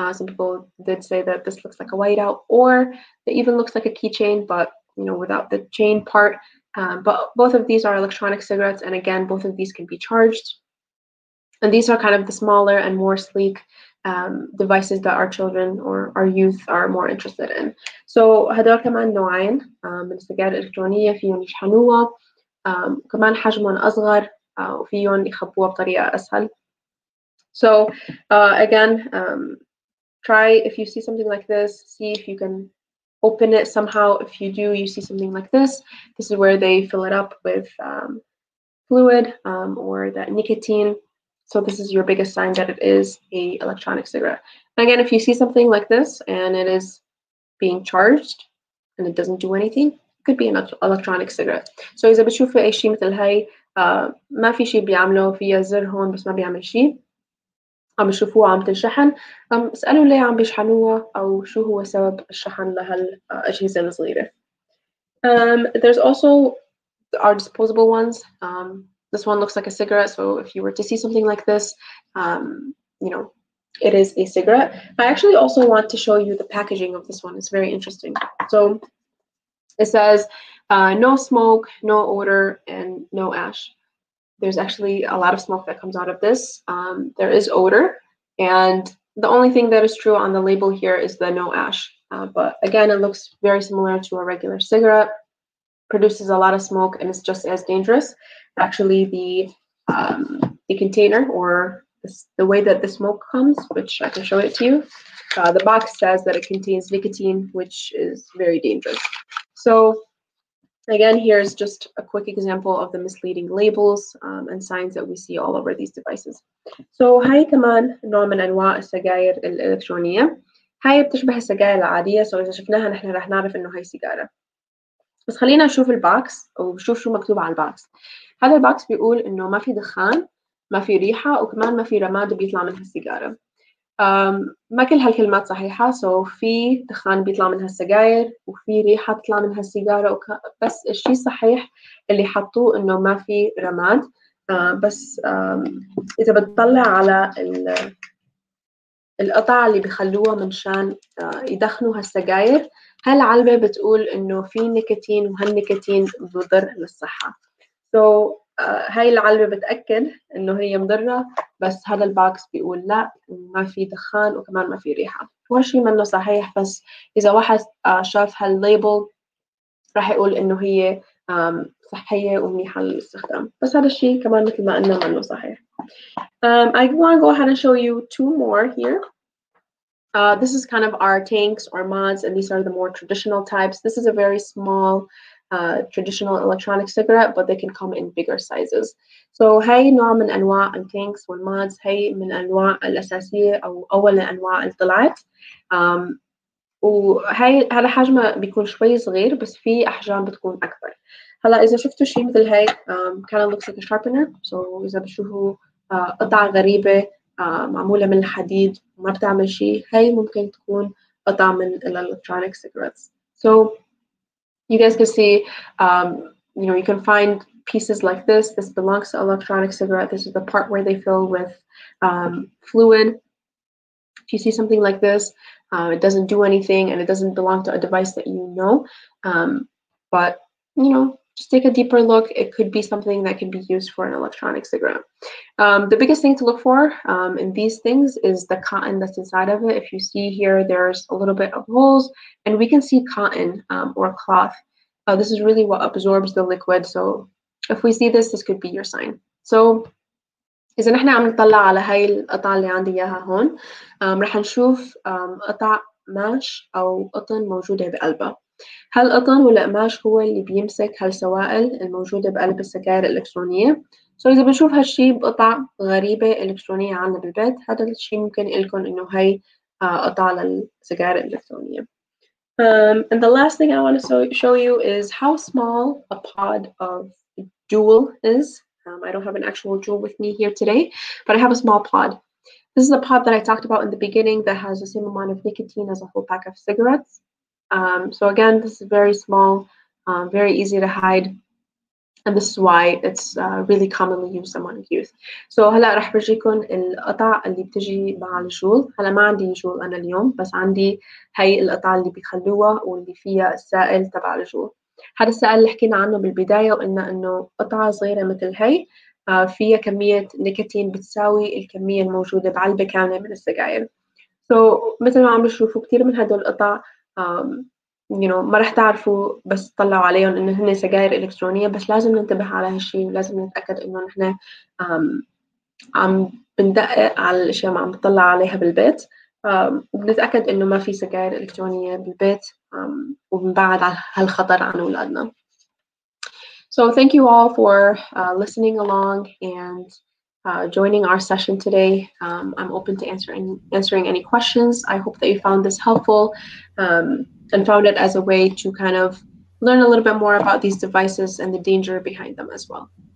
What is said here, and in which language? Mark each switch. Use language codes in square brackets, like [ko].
[en] Some people did say that this looks like a whiteout, or it even looks like a keychain, but you know, without the chain part. But both of these are electronic cigarettes, and again, both of these can be charged. And these are kind of the smaller and more sleek devices that our children or our youth are more interested in. [ar] So هذول كمان نوعين من السجائر الإلكترونية، فيهم يشحنوها. كمان حجمهم أصغر وفيهم يخبوها بطريقة أسهل. [en] So again, try if you see something like this, see if you can open it somehow. If you do, you see something like this, this is where they fill it up with fluid or that nicotine. So this is your biggest sign that it is a electronic cigarette. And again, if you see something like this and it is being charged and it doesn't do anything, could be an electronic cigarette. So إذا بتشوف أي شيء مثل هاي، ما في شيء بيعمله، في زر هون بس ما بيعمل شيء، عم تشوفوه عم تنشحن، اسألوا ليه عم بيشحنوها أو شو هو سبب الشحن لهالأجهزة الصغيرة. There's also our disposable ones. This one looks like a cigarette. So if you were to see something like this, you know, it is a cigarette. I actually also want to show you the packaging of this one. It's very interesting. So it says no smoke, no odor, and no ash. There's actually a lot of smoke that comes out of this. There is odor, and the only thing that is true on the label here is the no ash. But again, it looks very similar to a regular cigarette, produces a lot of smoke, and it's just as dangerous. Actually, the container or the way that the smoke comes, which I can show it to you, the box says that it contains nicotine, which is very dangerous. So again, here's just a quick example of the misleading labels and signs that we see all over these devices. [ar] So هاي كمان نوع من أنواع السجائر الإلكترونية. هاي بتشبه السجائر العادية، so إذا شفناها نحن رح نعرف إنه هاي سيجارة. بس خلينا نشوف الباكس وشوف شو مكتوب على الباكس. هذا الباكس بيقول إنه ما في دخان، ما في ريحة، وكمان ما في رماد بيطلع من هالسيجارة. ما كل هالكلمات صحيحة. So في دخان بيطلع من هالسجائر وفي ريحة تطلع من هالسيجارة بس الشيء صحيح اللي حطوه إنه ما في رماد. بس إذا بتطلع على القطع اللي بيخلوها منشان يدخنوا هالسجائر هالعلبة بتقول إنه في نيكوتين وهالنيكوتين بضر للصحة. So هاي العلبة بتأكد إنه هي مضرة بس هذا الباكس بيقول لا ما في دخان وكمان ما في ريحة. هو شيء منه صحيح بس إذا واحد شاف هالليبل راح يقول إنه هي صحية ومنيحة للاستخدام. بس هذا الشيء كمان مثل ما قلنا منه صحيح. [en] I want to go ahead and show you two more here. This is kind of our tanks or mods, and these are the more traditional types. This is a very small traditional electronic cigarette, but they can come in bigger sizes. [ar] So هاي نوع من أنواع التانكس والمودز هاي من أنواع الأساسية أو أول أنواع الطلعت. وهاي هذا حجمه بيكون شوي صغير بس في أحجام بتكون أكبر. هلا إذا شفتوا شيء مثل هاي [en] kind of looks like a sharpener. [ar] So إذا بتشوفوا قطعة غريبة معمولة من الحديد ما بتعمل شيء هاي ممكن تكون قطعة من الإلكترونيك سيجارتس. [en] So you guys can see, you know, you can find pieces like this. This belongs to electronic cigarette. This is the part where they fill with fluid. If you see something like this, it doesn't do anything and it doesn't belong to a device that you know. But, you know, just take a deeper look. It could be something that could be used for an electronic cigarette. The biggest thing to look for in these things is the cotton that's inside of it. If you see here, there's a little bit of holes and we can see cotton or cloth. This is really what absorbs the liquid. So if we see this, this could be your sign. [ar] So إذا نحن عم نطلع على هاي القطع اللي عندي إياها هون رح نشوف قطع ماش أو قطن موجودة بقلبها. هل قطن ولا قماش هو اللي بيمسك هالسوائل الموجودة بقلب السجائر الإلكترونية؟ So إذا بنشوف هالشي بقطع غريبة إلكترونية عندنا بالبيت هذا الشيء ممكن إلكن إنه هاي قطع للسجائر الإلكترونية. [en] And the last thing I want to show you is how small a pod of Juul is. I don't have an actual Juul with me here today, but I have a small pod. This is a pod that I talked about in the beginning that has the same amount of nicotine as a whole pack of cigarettes. So again, this is very small, very easy to hide, and this is why it's really commonly used among youth. [ar] So هلا رح برجيكم القطع اللي بتجي مع الجول. هلا ما عندي جول أنا اليوم بس عندي هاي القطع اللي بيخلوها واللي فيها السائل تبع الجول. هذا السائل اللي حكينا عنه بالبداية وقلنا إنه قطعة صغيرة مثل هاي فيها كمية نيكوتين بتساوي الكمية الموجودة بعلبة كاملة من السجائر. So مثل ما عم بتشوفوا كتير من هدول القطع you know, ما رح تعرفوا بس تطلعوا عليهم إنه هن سجائر إلكترونية بس لازم ننتبه على هالشي ولازم نتأكد إنه نحن عم بندقق على الأشياء ما عم بتطلع عليها بالبيت وبنتأكد إنه ما في سجائر إلكترونية بالبيت وبنبعد على هالخطر عن أولادنا. [en] So thank you all for listening along and joining our session today. I'm open to answering any questions. I hope that you found this helpful and found it as a way to kind of learn a little bit more about these devices and the danger behind them as well.